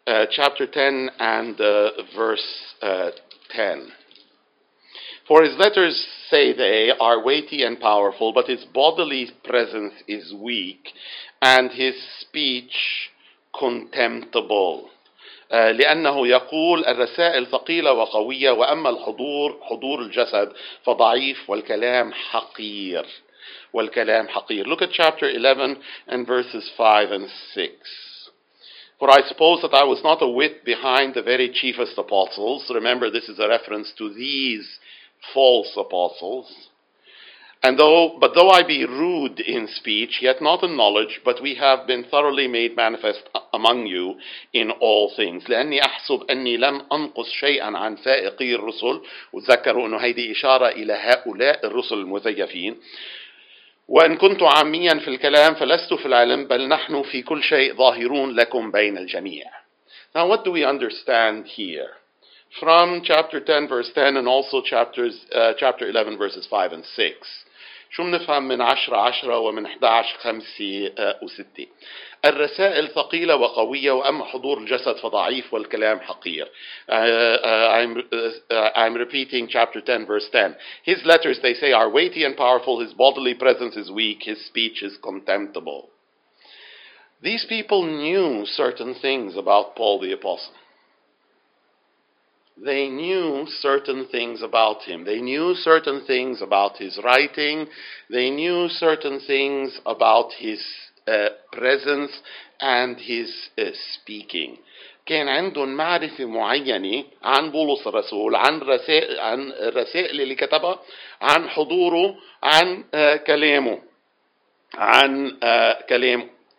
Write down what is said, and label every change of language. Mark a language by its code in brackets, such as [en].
[en] Chapter 10 and verse 10. For his letters, say they, are weighty and powerful, but his bodily presence is weak, and his speech contemptible. [ar] لأنه يقول الرسائل ثقيلة وقوية وأما الحضور حضور الجسد فضعيف والكلام حقير والكلام حقير. [en] Look at chapter 11 and verses 5 and 6. For I suppose that I was not a whit behind the very chiefest apostles. Remember, this is a reference to these false apostles. But though I be rude in speech, yet not in knowledge, but we have been thoroughly made manifest among you in all things. [ar] لأني أحسب أني لم أنقص شيئاً عن سائقي الرسل. وتذكروا أنه هذه إشارة إلى هؤلاء الرسل المزيفين. وإن كنت عامياً في الكلام فلست في العلم، بل نحن في كل شيء ظاهرون لكم بين الجميع. [en] Now what do we understand here? From chapter 10, verse 10, and also chapter 11, verses 5 and 6. [ar] شو منفهم من 10-10 ومن 11-5-6؟ الرسائل ثقيلة وقوية، وأما حضور الجسد فضعيف والكلام حقير. [en] I'm repeating chapter 10, verse 10. His letters, they say, are weighty and powerful. His bodily presence is weak. His speech is contemptible. These people knew certain things about Paul the Apostle. They knew certain things about him. They knew certain things about his writing. They knew certain things about his presence and his speaking. [ar] كان عندهم معرفة معينة عن بولس الرسول، عن الرسائل اللي كتبها، عن حضوره، عن كلامه.